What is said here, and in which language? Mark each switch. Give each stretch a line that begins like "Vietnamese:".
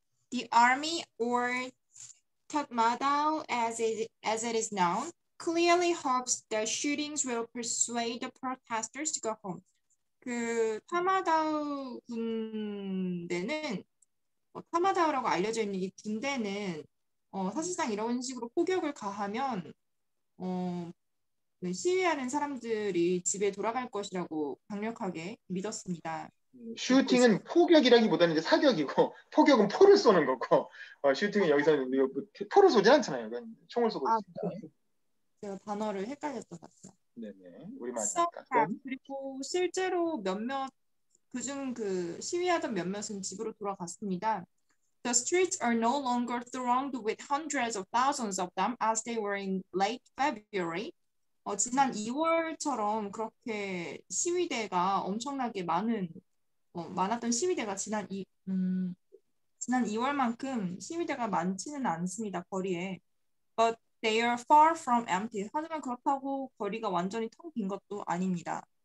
English: The army or 탐마도 as it is known, clearly hopes the shootings will persuade the protesters to go home.
Korean: 그 탐마도 군대는 탐마도라고 알려져 있는 이 군대는 사실상 이런 식으로 폭격을 가하면 시위하는 사람들이 집에 돌아갈 것이라고 강력하게 믿었습니다. 슈팅은 폭격이라기보다는 이제 사격이고 폭격은 포를 쏘는 거고 슈팅은 여기서는 포를 쏘지 않잖아요. 그냥 총을 쏘고 있습니다. 제가 단어를 헷갈렸던 것 같아요. 네네. 우리 맞습니까? 그리고 실제로 몇몇 그중 그 시위하던 몇몇은 집으로 돌아갔습니다.
English: The streets are no longer thronged with hundreds of thousands of them as they were in late February.
Korean: 지난 2월처럼 그렇게 시위대가 엄청나게 많았던 시위대가 지난 2월만큼 시위대가 많지는 않습니다. 거리에. But
English: They are far from empty.
Korean: 하지만 그렇다고 거리가 완전히 텅 빈 것도 아닙니다.